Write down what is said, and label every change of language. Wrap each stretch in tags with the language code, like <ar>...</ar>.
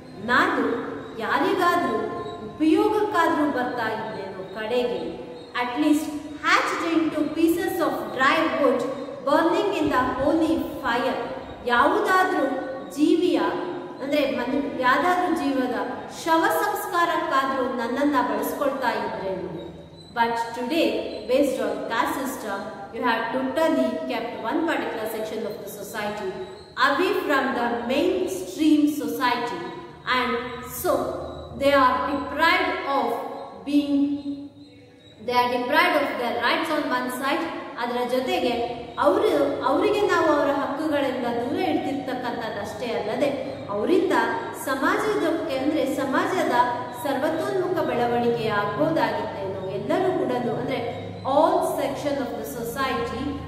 <kn>ನಾನು ಯಾರಿಗಾದ್ರೂ ಉಪಯೋಗಕ್ಕಾದ್ರೂ ಬರ್ತಾ ಇದ್ದೇನೋ ಕಡೆಗೆ</kn> <en>at least hatched in two pieces of dry wood burning in the holy fire</en> <kn>ಯಾವುದಾದ್ರೂ ಜೀವಿಯ ಅಂದ್ರೆ ಯಾವುದಾದ್ರೂ ಜೀವದ ಶವ ಸಂಸ್ಕಾರಕ್ಕಾದ್ರೂ ನನ್ನನ್ನ ಬಳಸ್ಕೊಳ್ತಾ ಇದ್ರೇನು</kn> <en>But today, based on caste system, you have totally kept one particular section of the society away from the mainstream society, and so they are deprived of being. They are deprived of their rights on one side.</en> <kn>ಅದರ ಜೊತೆಗೆ ಅವರಿಗೆ ನಾವು ಅವರ ಹಕ್ಕುಗಳಿಂದ ದೂರ ಇಡ್ತಿರ್ತಕ್ಕಂಥದ್ದಷ್ಟೇ ಅಲ್ಲದೆ ಅವರಿಂದ ಸಮಾಜಕ್ಕೆ ಅಂದರೆ ಸಮಾಜದ ಸರ್ವತೋನ್ಮುಖ ಬೆಳವಣಿಗೆ ಆಗ್ಬೋದಾಗಿತ್ತು ಎಲ್ಲರೂ ಕೂಡ ಅಂದರೆ</kn> <en>all section of the society</en>